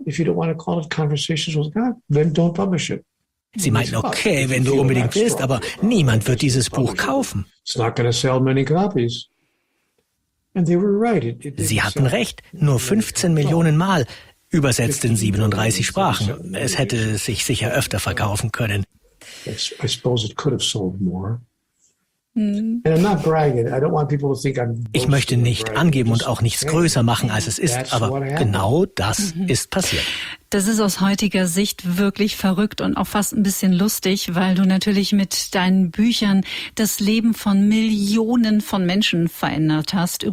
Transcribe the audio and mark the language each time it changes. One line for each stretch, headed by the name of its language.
English: If you don't want to call it Conversations with God, then don't publish it.
German: Sie meinten, okay, wenn du unbedingt willst, aber niemand wird dieses Buch kaufen.
English: It's not going to sell many copies. And they were right.
German: Sie hatten recht, nur 15 Millionen Mal, übersetzt in 37 Sprachen. Es hätte sich sicher öfter verkaufen können.
English: I suppose it could have sold more. And I'm not bragging. I don't want people to think I'm.
German: Ich möchte nicht angeben und auch nichts größer machen, als es ist, aber genau das ist passiert. Das ist aus heutiger Sicht wirklich verrückt und auch fast ein bisschen lustig, weil du natürlich mit deinen Büchern das Leben von Millionen von Menschen verändert hast.